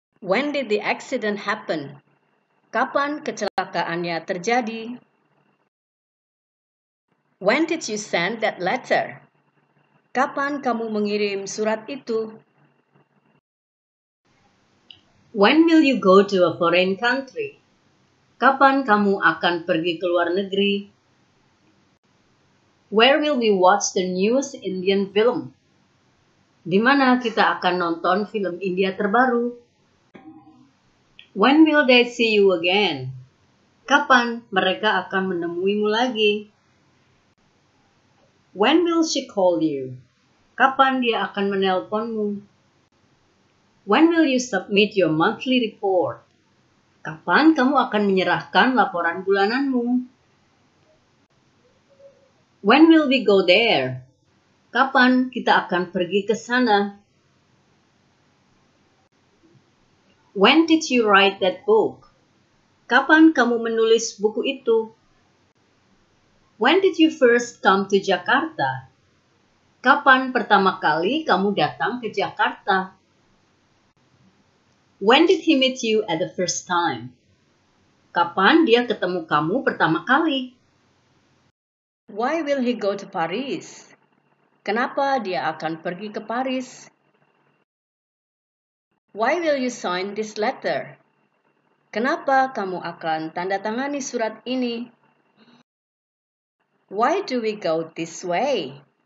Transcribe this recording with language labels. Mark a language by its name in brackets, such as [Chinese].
[English] When did the accident happen? [Indonesian] Kapan kecelakaannya terjadi? [English] When did you send that letter? [Indonesian] Kapan kamu mengirim surat itu? [English] When will you go to a foreign country? [Indonesian] Kapan kamu akan pergi ke luar negeri? [English] Where will we watch the newest Indian film? [Indonesian] Di mana kita akan nonton film India terbaru? [English] When will they see you again? [Indonesian] Kapan mereka akan menemuimu lagi? [English] When will she call you? [Indonesian] Kapan dia akan menelponmu? [English] When will you submit your monthly report? [Indonesian] Kapan kamu akan menyerahkan laporan bulananmu? [English] When will we go there? [Indonesian] Kapan kita akan pergi ke sana? [English] When did you write that book? [Indonesian] Kapan kamu menulis buku itu? [English] When did you first come to Jakarta? [Indonesian] Kapan pertama kali kamu datang ke Jakarta? [English] When did he meet you at the first time? [Indonesian] Kapan dia ketemu kamu pertama kali? [English] Why will he go to Paris? [Indonesian] Kenapa dia akan pergi ke Paris? [English] Why will you sign this letter? [Indonesian] Kenapa kamu akan tanda tangani surat ini? [English] Why do we go this way?